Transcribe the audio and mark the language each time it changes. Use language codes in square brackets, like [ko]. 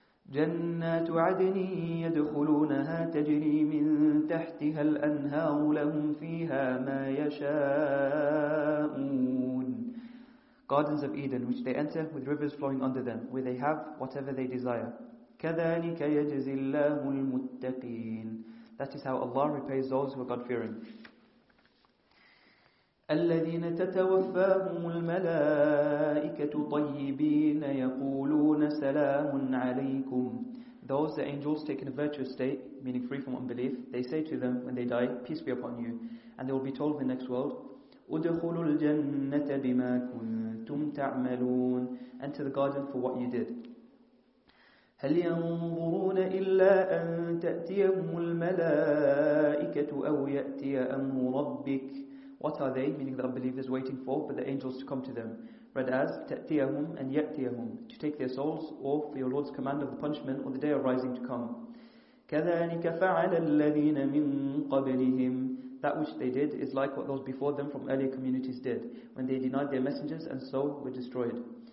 [ar] جَنَّاتُ عَدْنٍ يَدْخُلُونَهَا تَجْرِي مِنْ تَحْتِهَا الْأَنْهَارُ لَهُمْ فِيهَا مَا يَشَاءُونَ. [en] Gardens of Eden, which they enter with rivers flowing under them, where they have whatever they desire. [ar] كَذَلِكَ يَجْزِي اللَّهُ الْمُتَّقِينَ. [en] That is how Allah repays those who are God-fearing. [ar] الذين تتوفاهم الملائكة طيبين يقولون سلام عليكم. [en] Those the angels take in a virtuous state, meaning free from unbelief, they say to them when they die, peace be upon you. And they will be told in the next world, [ar] ادخلوا الجنة بما كنتم تعملون. [en] Enter the garden for what you did. [ar] هل ينظرون إلا أن تأتيهم الملائكة أو يأتي أمر ربك. [en] What are they, meaning the unbelievers, waiting for the angels to come to them? Read as تأتيهم and يأتيهم, to take their souls, or for your Lord's command of the punishment or the day of rising to come. [ar] كذلك فعل الذين من قبلهم. [en] That which they did is like what those before them from earlier communities did, when they denied their messengers and so were destroyed.